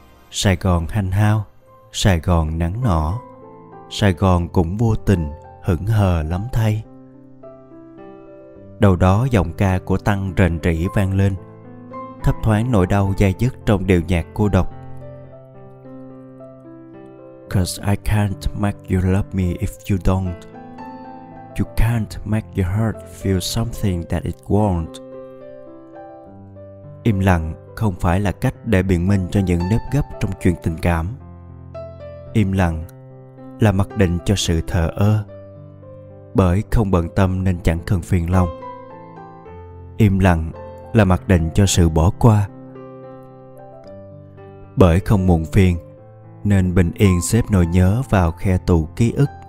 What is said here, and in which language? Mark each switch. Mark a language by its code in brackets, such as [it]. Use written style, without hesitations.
[vi] Sài Gòn hanh hao, Sài Gòn nắng nỏ, Sài Gòn cũng vô tình, hững hờ lắm thay. Đầu đó giọng ca của Tăng rền rĩ vang lên, thấp thoáng nỗi đau dai dứt trong điệu nhạc cô độc. [en] 'Cause I can't make you love me if you don't. You can't make your heart feel something that it won't. [vi] Im lặng không phải là cách để biện minh cho những nếp gấp trong chuyện tình cảm. Im lặng là mặc định cho sự thờ ơ, bởi không bận tâm nên chẳng cần phiền lòng. Im lặng là mặc định cho sự bỏ qua, bởi không muộn phiền nên bình yên xếp nỗi nhớ vào khe tù ký ức.